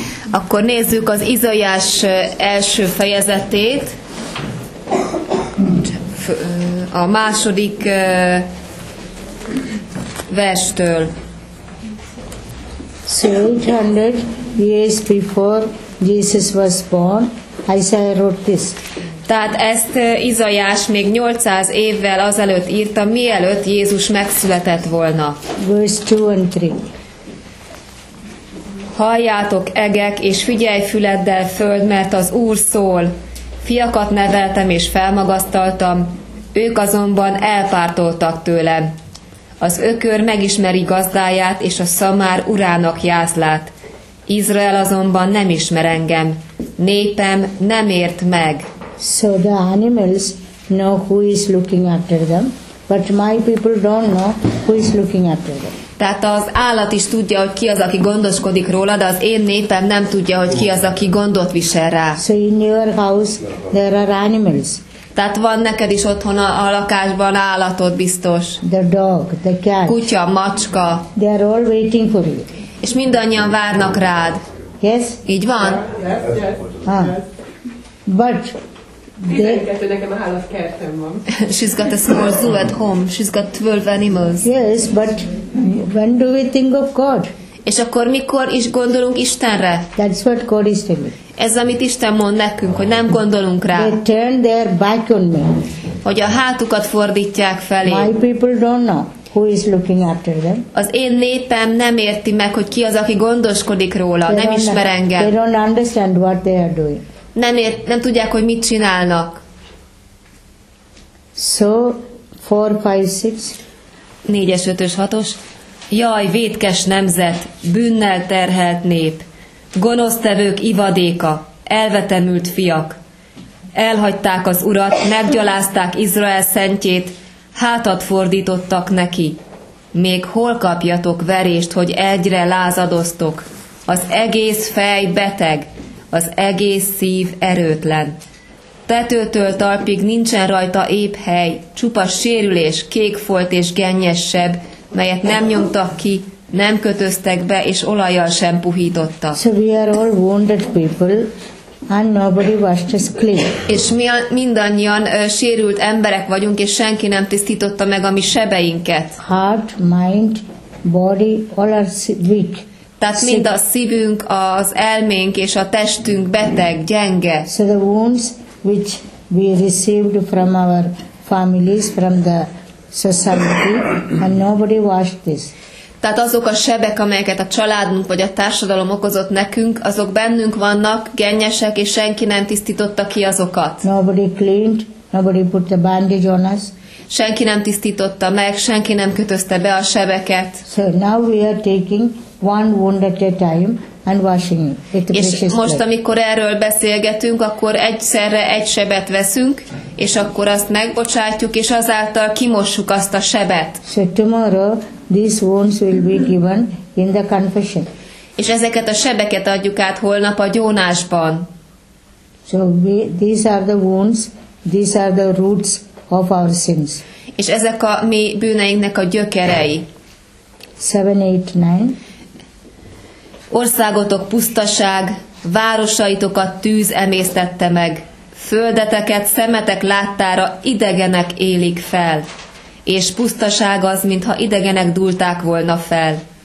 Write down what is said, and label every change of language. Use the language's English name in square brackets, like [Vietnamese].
[Hungarian] Akkor nézzük az Izajás első fejezetét, a második verstől. [English] So 800 years before Jesus was born, Isaiah wrote this. [Hungarian] Tehát ezt Izajás még 800 évvel azelőtt írta, mielőtt Jézus megszületett volna. [English] Verse 2 and 3. [Hungarian] Halljátok egek, és figyelj füleddel föld, mert az Úr szól. Fiakat neveltem és felmagasztaltam, ők azonban elpártoltak tőlem. Az ökör megismeri gazdáját, és a szamár urának jászlát. Izrael azonban nem ismer engem, népem nem ért meg. [English] So the animals know who is looking after them, but my people don't know who is looking after them. [Hungarian] Tehát az állat is tudja, hogy ki az, aki gondoskodik róla, de az én népem nem tudja, hogy ki az, aki gondot visel rá. [English] So in your house there are animals. [Hungarian] Tehát van neked is otthon a lakásban állatod biztos. [English] The dog, the cat. [Hungarian] Kutya, macska. [English] They are all waiting for you. [Hungarian] És mindannyian várnak rád. [English] Yes? [Hungarian] Így van? [English] But she's got a small zoo at home. She's got 12 animals. Yes, but when do we think of God? [Hungarian] És akkor mikor is gondolunk Istenre? [English] That's what God is telling. [Hungarian] Ez amit Isten mond nekünk, hogy nem gondolunk rá. [English] They turn their back on me. [Hungarian] Hogy a hátukat fordítják felé. [English] My people don't know who is looking after them. [Hungarian] Az én népem nem érti meg, hogy ki az, aki gondoskodik róla. [English] They [Hungarian] nem ismer engem. [English] They don't understand what they are doing. [Hungarian] Nem tudják, hogy mit csinálnak. [English] So, 4, 5, 6. [Hungarian] 4-es, 5-ös, 6-os. Jaj, vétkes nemzet, bűnnel terhelt nép, gonosztevők ivadéka, elvetemült fiak. Elhagyták az Urat, meggyalázták Izrael szentjét, hátat fordítottak neki. Még hol kapjatok verést, hogy egyre lázadoztok? Az egész fej beteg, az egész szív erőtlen. Tetőtől talpig nincsen rajta épp hely, csupa sérülés, kékfolt és gennyessebb, melyet nem nyomtak ki, nem kötöztek be, és olajjal sem puhítottak. [English] So we are all wounded people, and nobody washes clean. [Hungarian] És mi mindannyian sérült emberek vagyunk, és senki nem tisztította meg a mi sebeinket. [English] Heart, mind, body, all are weak. [Hungarian] Tehát mind a szívünk, az elménk és a testünk beteg, gyenge. [English] So the wounds which we received from our families, from the society, and nobody washed this. [Hungarian] Tehát azok a sebek, amelyeket a családunk vagy a társadalom okozott nekünk, azok bennünk vannak, gennyesek, és senki nem tisztította ki azokat. [English] Nobody cleaned, nobody put the bandage on us. [Hungarian] Senki nem tisztította meg, senki nem kötözte be a sebeket. [English] So now we are taking one wound at a time and washing it. [Hungarian] És most, amikor erről beszélgetünk, akkor egyszerre egy sebet veszünk, és akkor azt megbocsátjuk, és azáltal kimossuk azt a sebet. [English] So tomorrow these wounds will be given in the confession. [Hungarian] És ezeket a sebeket adjuk át holnap a gyónásban. [English] So these are the wounds, these are the roots of our sins. [Hungarian] És ezek a mi bűneinknek a gyökerei. [English] 7, 8, 9. [Hungarian] Országotok pusztaság, városaitokat tűz emésztette meg, földeteket szemetek láttára idegenek élik fel, és pusztaság az, mintha idegenek dúlták volna fel.